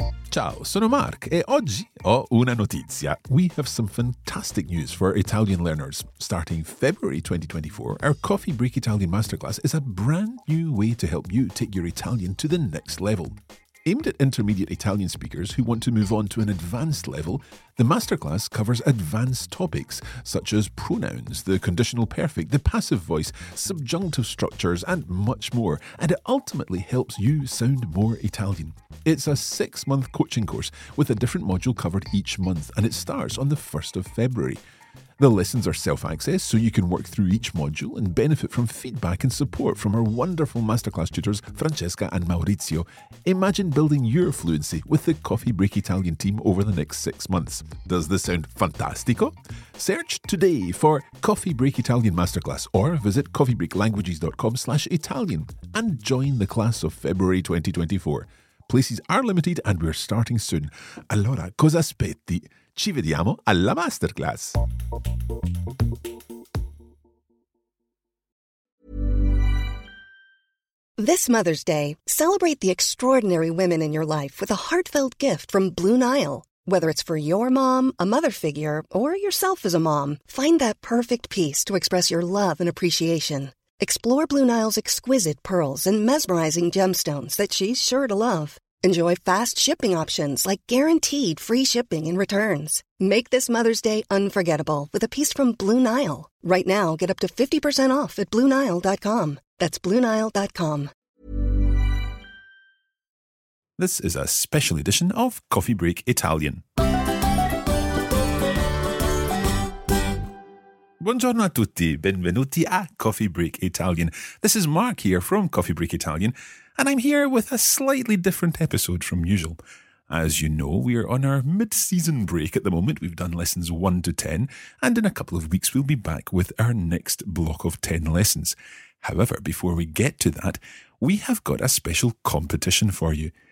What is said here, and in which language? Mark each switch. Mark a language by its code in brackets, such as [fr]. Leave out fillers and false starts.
[it] Ciao, sono Mark e oggi ho una notizia. [en] We have some fantastic news for Italian learners. Starting February 2024, our Coffee Break Italian Masterclass is a brand new way to help you take your Italian to the next level. Aimed at intermediate Italian speakers who want to move on to an advanced level, the masterclass covers advanced topics such as pronouns, the conditional perfect, the passive voice, subjunctive structures, and much more, and it ultimately helps you sound more Italian. It's a six-month coaching course with a different module covered each month, and it starts on the 1st of February. The lessons are self-access, so you can work through each module and benefit from feedback and support from our wonderful masterclass tutors, Francesca and Maurizio. Imagine building your fluency with the Coffee Break Italian team over the next 6 months. Does this sound fantastico? Search today for Coffee Break Italian Masterclass or visit coffeebreaklanguages.com/Italian and join the class of February 2024. Places are limited and we're starting soon. [it] Allora, cosa aspetti? Ci vediamo alla masterclass. [en] This Mother's Day, celebrate the extraordinary women in your life with a heartfelt gift from Blue Nile. Whether it's for your mom, a mother figure, or yourself as a mom, find that perfect piece to express your love and appreciation. Explore Blue Nile's exquisite pearls and mesmerizing gemstones that she's sure to love. Enjoy fast shipping options like guaranteed free shipping and returns. Make this Mother's Day unforgettable with a piece from Blue Nile. Right now, get up to 50% off at BlueNile.com. That's BlueNile.com. This is a special edition of Coffee Break Italian. [it] Buongiorno a tutti, benvenuti a Coffee Break Italian. [en] This is Mark here from Coffee Break Italian, and I'm here with a slightly different episode from usual. As you know, we are on our mid-season break at the moment. We've done lessons 1 to 10, and in a couple of weeks we'll be back with our next block of 10 lessons. However, before we get to that, we have got a special competition for you.